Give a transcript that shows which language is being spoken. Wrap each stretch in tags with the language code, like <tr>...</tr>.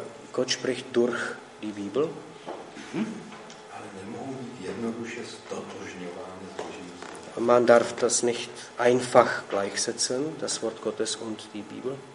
<de>Koč spricht durch die Bibel?</de> <cs>Ale nemohou být jednoduše ztotožňovány s Božím slovem.</cs> <de>Man darf das nicht einfach gleichsetzen, das Wort Gottes und die Bibel?</de>